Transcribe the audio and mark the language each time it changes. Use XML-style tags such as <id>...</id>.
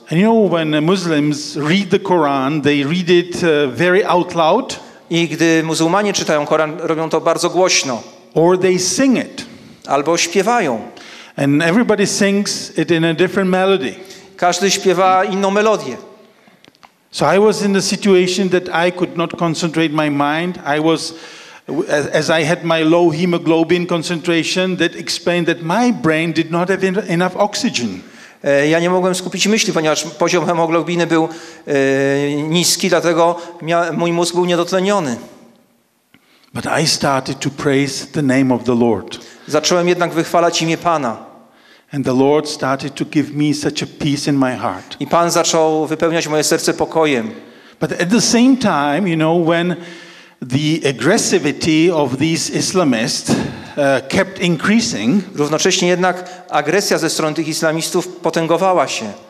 <en>And you know, when Muslims read the Koran, they read it very out loud.</en> <pl>I gdy muzułmanie czytają Koran, robią to bardzo głośno.</pl> <en>Or they sing it.</en> <pl>Albo śpiewają.</pl> <en>And everybody sings it in a different melody.</en> <pl>Każdy śpiewa inną melodię.</pl> <en>So I was in a situation that I could not concentrate my mind. I was, as I had my low hemoglobin concentration, that explained that my brain did not have enough oxygen.</en> <pl>Ja nie mogłem skupić myśli, ponieważ poziom hemoglobiny był niski, dlatego mój mózg był niedotleniony.</pl> <en>But I started to praise the name of the Lord.</en> <pl>Zacząłem jednak wychwalać imię Pana.</pl> <en>And the Lord started to give me such a peace in my heart.</en> <pl>I Pan zaczął wypełniać moje serce pokojem.</pl> <en>But at the same time, you know, when the aggressivity of these Islamists kept increasing,</en> <pl>równocześnie jednak agresja ze strony tych islamistów potęgowała się.</pl>